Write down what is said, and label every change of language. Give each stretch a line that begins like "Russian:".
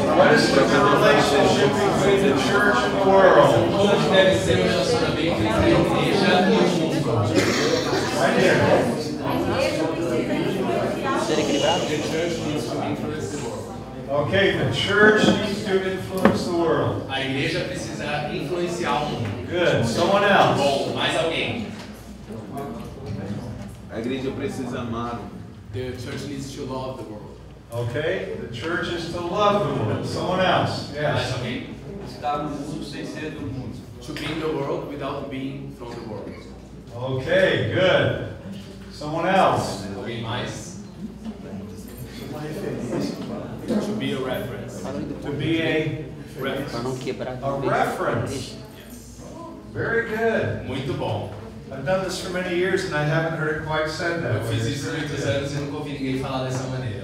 English: What is the relationship between the church and the world?
Portuguese: Como deve ser o relacionamento entre a igreja e o mundo?
English: Okay, the church needs to influence the world.
Portuguese: A igreja precisa influenciar o mundo.
English: Good. Someone else.
Portuguese: Bom, mais alguém. A igreja precisa amar.
English: The church needs to love the world. Okay, the church is to love the world. Someone else. Yes.
Portuguese: Mais alguém. Estar no mundo sem ser do mundo.
English: To be in the world without being from the world. Okay, good. Someone else.
Portuguese: Alguém mais.
English: To be a reference. To be a reference.
Portuguese: Para não quebrar
English: a reference. Yes. Very good.
Portuguese: Muito bom.
English: I've done this for many years and I haven't heard it quite said that.
Portuguese: Eu fiz isso por muitos anos e nunca ouvi ninguém falar dessa maneira.